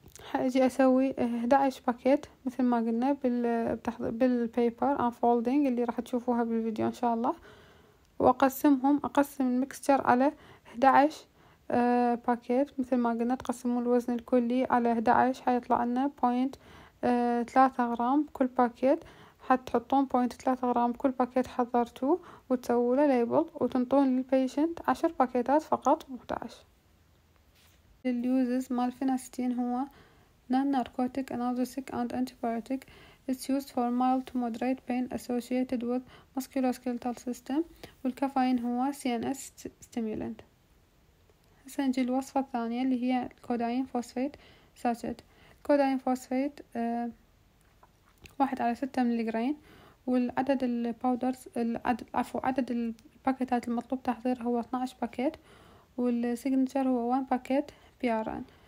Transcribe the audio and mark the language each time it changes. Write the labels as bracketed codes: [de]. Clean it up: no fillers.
[ar] حاجي أسوي 11 باكيت مثل ما قلنا بالبيبر unfolding اللي راح تشوفوها بالفيديو إن شاء الله، وأقسمهم، أقسم المكستر على 11 باكيت مثل ما قلنا، تقسموا الوزن الكلي على 11 حيطلع لنا 0.3 غرام كل باكيت، حتحطون 0.3 غرام كل باكيت حضرتوه وتسووا له ليبل، وتنطون للبيشنت 10 باكيتات فقط مو 11. اليوزز مال فينستين هو [en] non narcotic analgesic and antibiotic، it's used for mild to moderate pain associated with musculoskeletal system، [ar] والكافيين هو [en] CNS stimulant. [ar] هسه نجي الوصفة الثانية اللي هي كودايين فوسفيت ساتشيت. كودايين فوسفيت 1/6 ملغرين، والعدد الباودرز عدد الباكيتات المطلوب تحضيرها هو 12 باكيت، والسيجنتشر هو 1 باكيت PRN.